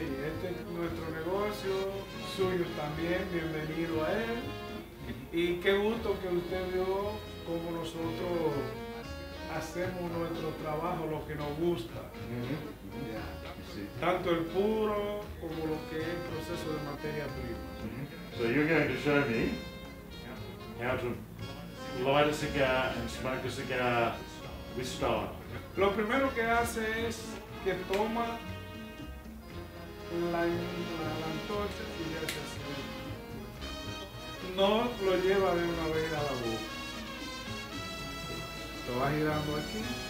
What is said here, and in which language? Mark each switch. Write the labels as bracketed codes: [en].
[es] Sí, este es nuestro negocio, suyo también, bienvenido a él. Y qué gusto que usted vio cómo nosotros hacemos nuestro trabajo lo que nos gusta. Tanto el puro como lo que es el proceso de materia prima. [en] So you're going to show me how to light a cigar and smoke a cigar with style. [es] Lo primero que hace es que toma la antorcha y le hace así. No lo lleva de una vez a la boca. Lo va girando aquí.